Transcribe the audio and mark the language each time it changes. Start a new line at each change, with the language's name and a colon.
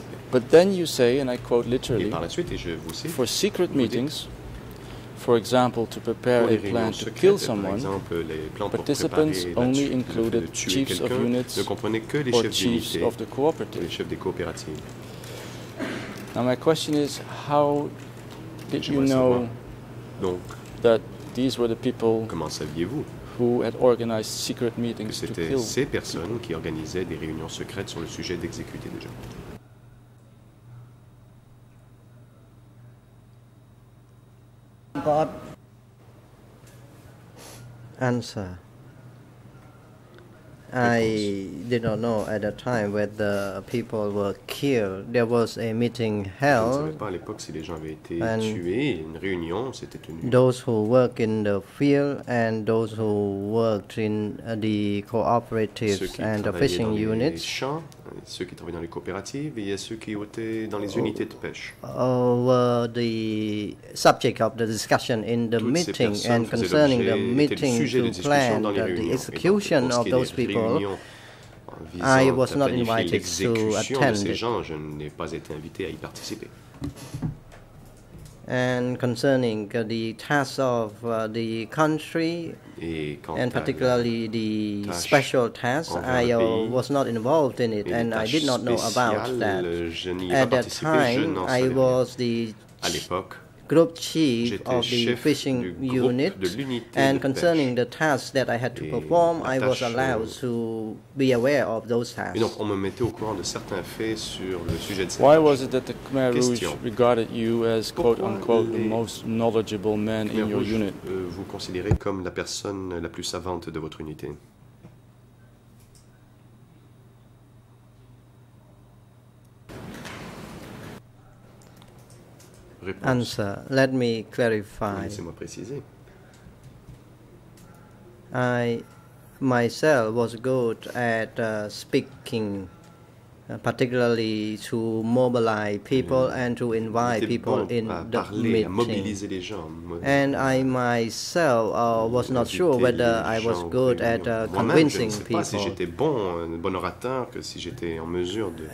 English: But then you say, and I quote literally, for secret meetings, for example, to prepare a plan to kill someone, participants only included chiefs of units or chiefs of the cooperative. Now my question is, how did you know that these were the people who had organized secret meetings to kill
French: ces personnes qui organisaient des réunions secrètes sur le sujet d'exécuter des gens?
English: Bob. Answer. I did not know at that time whether people were killed. There was a meeting held.
French: Je ne savais pas à l'époque si les gens avaient été tués. Une réunion s'était tenue.
English: Those who worked in the field and those who worked in the cooperatives and the fishing units.
French: Ceux qui travaillaient dans les champs, ceux qui travaillaient dans les coopératives, et il y a ceux qui étaient dans les unités de pêche.
English: Were the subject of the discussion in the
French: toutes
English: meeting and concerning the meeting to plan the execution of those people? I was not invited to attend it.
French: Gens, je n'ai pas été invité à y participer.
English: And concerning the tasks of the country, and particularly the special tasks, I was not involved in it, and I did not know about that. At that time, I was the group chief of the fishing unit, and concerning the tasks that I had to perform, I was allowed to be aware of those tasks.
French: Donc on me mettait au courant de certains faits sur le sujet de ces.
English: Why was it that the Khmer Rouge regarded you as quote unquote the most knowledgeable man in your unit?
French: Vous considérez comme la personne la plus savante de votre unité.
English: Answer. Let me clarify.
French: Laissez-moi préciser.
English: I myself was good at speaking, particularly to mobilize people and to invite people in the meeting. And I myself was not sure whether I was good at convincing people.
French: Si j'étais bon orateur, que si j'étais en mesure de